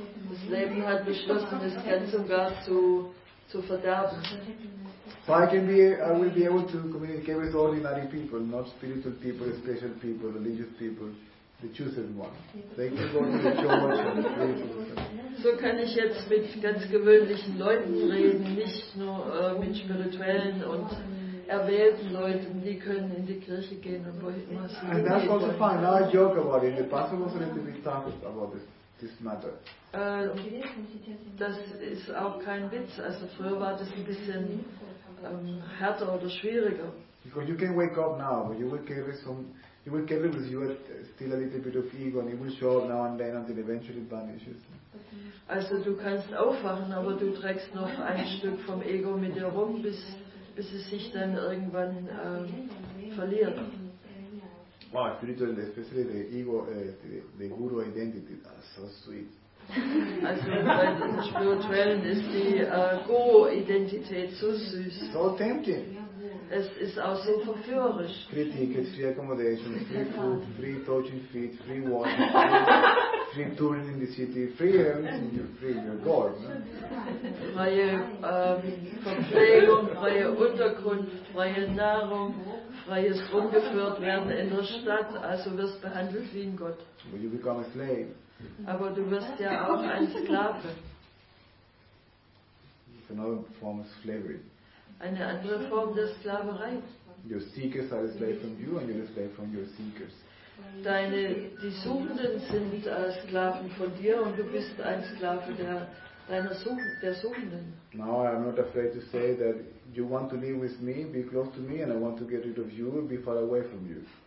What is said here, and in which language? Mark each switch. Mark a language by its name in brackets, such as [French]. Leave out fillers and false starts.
[German] Das Leben hat beschlossen, es ganz und gar zu verderben. [English] So I will be able to communicate with ordinary people, not spiritual people, special people, religious people, the chosen one. They can go to the church and pray. [German] So kann ich jetzt mit ganz gewöhnlichen Leuten reden, nicht nur mit spirituellen und erwählten Leuten, die können in die Kirche gehen und wo immer sie [English] gehen. And that's also fine. Now I joke about it. In the past I was a little bit tough about this matter. [German] Das ist auch kein Witz. Also früher war das ein bisschen härter oder schwieriger. [English] Because you can wake up now, but you will carry with you still a little bit of ego, and it will show up now and then until eventually vanishes. [German] Also du kannst aufwachen, aber du trägst noch ein Stück vom Ego mit dir rum, bis es sich dann irgendwann verliert. [English] Wow, spiritual, especially the ego, the guru identity, that's so sweet. [German] Also bei den Spirituellen ist die Guru-Identität so süß. [English] So tempting. [German] Es ist auch sehr verführerisch. [English] Kritik, it's free accommodation, free food, free touching feet, free water, free touring in the city, free and free your God. [German] Ne? Freie Verpflegung, freie Unterkunft, freie Nahrung, freies rumgeführt werden in der Stadt, also wirst behandelt wie ein Gott. [English] But you become a slave. [German] Aber du wirst ja auch ein Sklave. [English] Another form of slavery. [German] Eine andere Form der Sklaverei. [English] Your seekers are a slave from you and you're a slave from your seekers. [German] Deine, die Suchenden sind Sklaven von dir und du bist ein Sklave der, deiner Such, der Suchenden. [English] Now I'm not afraid to say that you want to live with me, be close to me and I want to get rid of you, be far away from you.